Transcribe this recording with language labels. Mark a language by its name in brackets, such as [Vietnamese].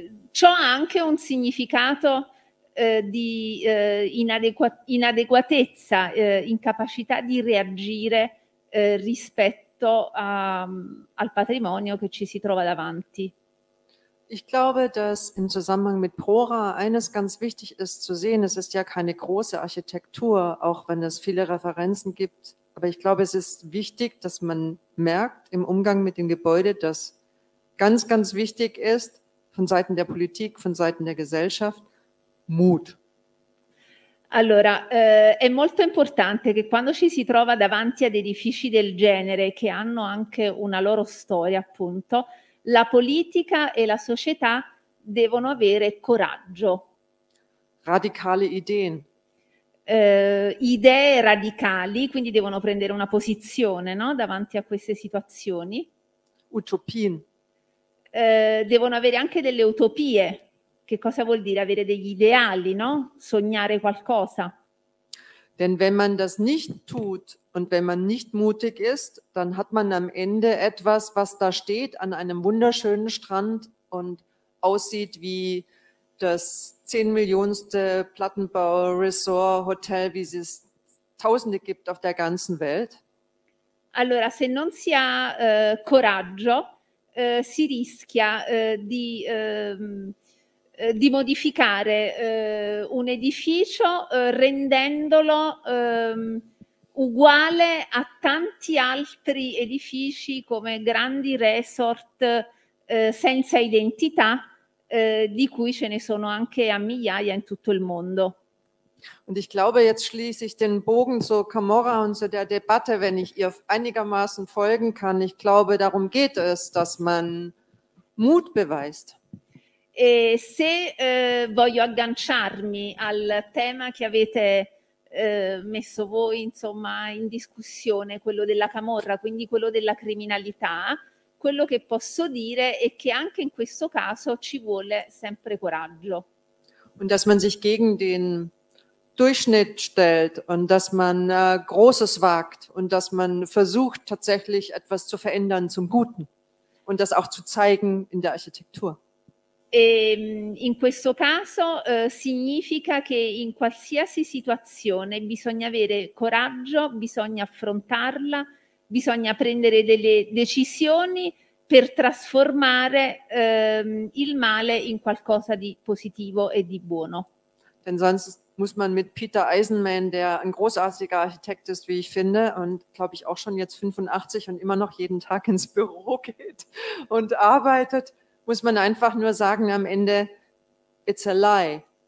[Italian] Ciò ha anche un significato di inadeguatezza, incapacità di reagire rispetto al patrimonio che ci si trova davanti. [German] Ich glaube, dass im Zusammenhang mit Prora eines ganz wichtig ist zu sehen, es ist ja keine große Architektur, auch wenn es viele Referenzen gibt, aber ich glaube, es ist wichtig, dass man merkt im Umgang mit dem Gebäude, dass ganz, ganz wichtig ist von Seiten der Politik, von Seiten der Gesellschaft, Mut. [Italian] Allora, è molto importante che quando ci si trova davanti ad edifici del genere, che hanno anche una loro storia, appunto, la politica e la società devono avere coraggio. [German] Radicale Ideen. [Italian] Idee radicali, quindi devono prendere una posizione, no? Davanti a queste situazioni. [German] Utopien. [Italian] Devono avere anche delle utopie. Che cosa vuol dire avere degli ideali, no? Sognare qualcosa. [German] Denn wenn man das nicht tut und wenn man nicht mutig ist, dann hat man am Ende etwas, was da steht an einem wunderschönen Strand und aussieht wie das 10-millionste Plattenbau-Resort-Hotel, wie es tausende gibt auf der ganzen Welt. [Italian] Allora, se non si ha coraggio, si rischia di modificare un edificio rendendolo uguale a tanti altri edifici come grandi resort senza identità di cui ce ne sono anche a migliaia in tutto il mondo. [German] Und ich glaube, jetzt schließe ich den Bogen zu Camorra und zu der Debatte, wenn ich ihr einigermaßen folgen kann. Ich glaube, darum geht es, dass man Mut beweist. [Italian] E se voglio agganciarmi al tema che avete messo voi, insomma, in discussione, quello della camorra, quindi quello della criminalità, quello che posso dire è che anche in questo caso ci vuole sempre coraggio. [German] Und dass man sich gegen den Durchschnitt stellt und dass man Großes wagt und dass man versucht tatsächlich etwas zu verändern zum Guten und das auch zu zeigen in der Architektur. [Italian] E in questo caso significa che in qualsiasi situazione bisogna avere coraggio, bisogna affrontarla, bisogna prendere delle decisioni per trasformare il male in qualcosa di positivo e di buono. [German] Denn sonst muss man mit Peter Eisenman, der ein großartiger Architekt ist, wie ich finde, und glaube ich auch schon jetzt 85 und immer noch jeden Tag ins Büro geht und arbeitet, muss man einfach nur sagen am Ende, [English] it's a lie.